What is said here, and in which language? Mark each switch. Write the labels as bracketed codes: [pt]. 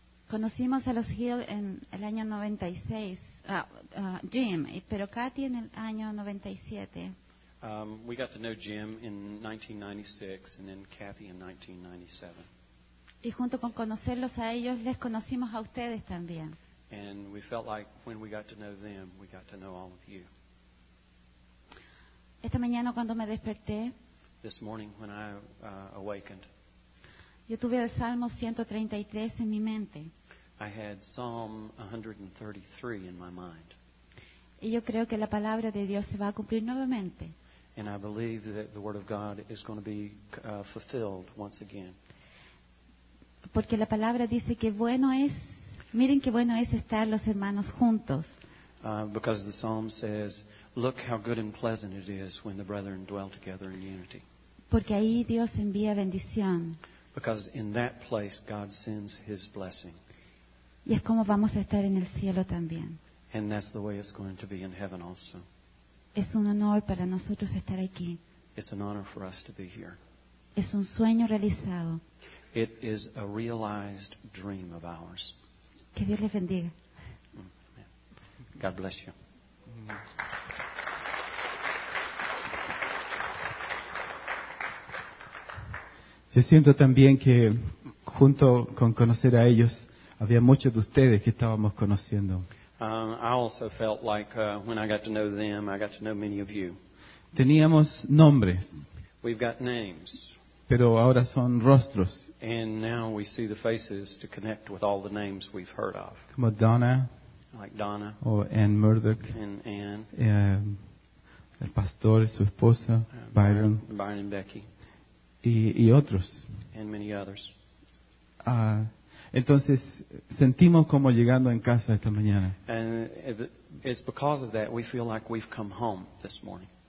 [es] Conocimos a los Hill en el año 96, Jim, pero Kathy en el año 97. [en] We got to know Jim in 1996 and then Kathy in 1997. [es] Y junto con conocerlos a ellos, les conocimos a ustedes también. [en] And we felt like when we got to know them, we got to know all of you. [es] Esta mañana cuando me desperté, [en] this morning when I awakened, [es] yo tuve el Salmo 133 en mi mente. [en] I had Psalm 133 in my mind. [es] Y yo creo que la palabra de Dios se va a cumplir nuevamente. [en] And I believe that the word of God is going to be fulfilled once again. [es] Porque la palabra dice que bueno es, miren qué bueno es estar los hermanos juntos. [en] Because the Psalm says, look how good and pleasant it is when the brethren dwell together in unity. [es] Porque ahí Dios envía bendición. [en] Because in that place God sends his blessing. [es] Y es como vamos a estar en el cielo también. [en] And that's the way it's going to be in heaven also. [es] Es un honor para nosotros estar aquí. [en] It's an honor for us to be here. [es] Es un sueño realizado. [en] It is a realized dream of ours. [es] Que Dios les bendiga. [en] God bless you. [es] Yo siento también que junto con conocer a ellos, había muchos de ustedes que estábamos conociendo. [en] I also felt like when I got to know them, I got to know many of you. [es] Teníamos nombres. [en] We've got names. [es] Pero ahora son rostros. [en] And now we see the faces to connect with all the names we've heard of. [es] Como Donna. [en] Like Donna. [es] O Ann Murdoch. [en] And Ann. [es] El pastor y su esposa, Byron. [en] Byron and Becky. [es] Y otros. [en] And many others. [es] Entonces, sentimos como llegando en casa esta mañana. [en] And it's because of that we feel like we've come home this morning.